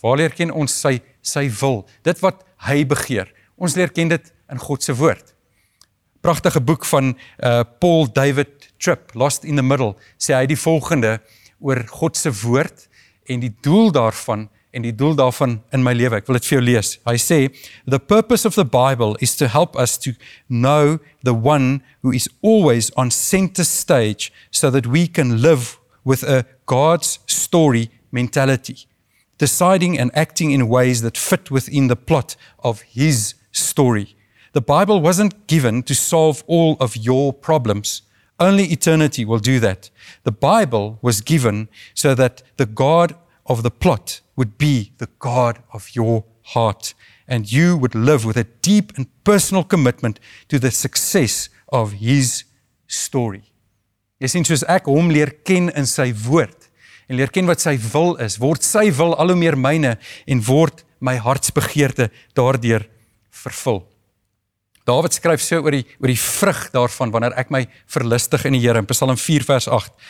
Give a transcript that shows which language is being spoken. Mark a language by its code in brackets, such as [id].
[af] Waar leer ken ons sy wil? Dit wat hy begeer. Ons leer ken dit in God se woord. Pragtige boek van Paul David Tripp, Lost in the Middle, sê hy die volgende oor God se woord en die doel daarvan en die doel daarvan in my lewe. Ek wil dit vir jou lees. Hy sê, [en] "The purpose of the Bible is to help us to know the one who is always on center stage so that we can live with a God's story mentality, deciding and acting in ways that fit within the plot of his story. The Bible wasn't given to solve all of your problems. Only eternity will do that. The Bible was given so that the God of the plot would be the God of your heart, and you would live with a deep and personal commitment to the success of his story." [af] Jy sien, soos ek hom leer ken in sy woord en leer ken wat sy wil is, word sy wil al hoe meer myne en word my hartsbegeerte daardeur vervul. Dawid skryf so oor die vrug daarvan wanneer ek my verlustig in die Here in Psalm 4 vers 8.